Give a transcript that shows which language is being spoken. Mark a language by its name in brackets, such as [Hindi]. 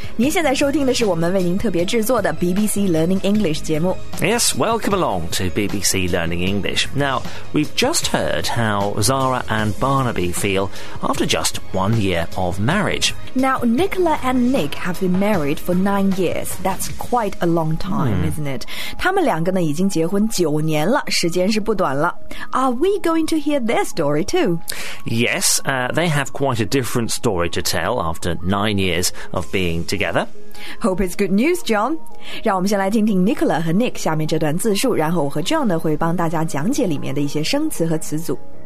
[Chinese] 您现在收听的是我们为您特别制作的 BBC Learning English 节目。 [English] Yes, welcome along to BBC Learning English. Now, we've just heard how Zara and Barnaby feel after just 1 year of marriage. Now, Nicola and Nick have been married for 9 years. That's quite a long time, isn't it? [Chinese] 他们两个呢已经结婚九年了，时间是不短了。 [English] Are we going to hear their story too? Yes, they have quite a different story to tell after 9 years of being together. [Chinese] Hope it's good news, John. 让我们先来听听 Nicola 和 Nick 下面这段自述，然后我和 John 呢会帮大家讲解里面的一些生词和词组。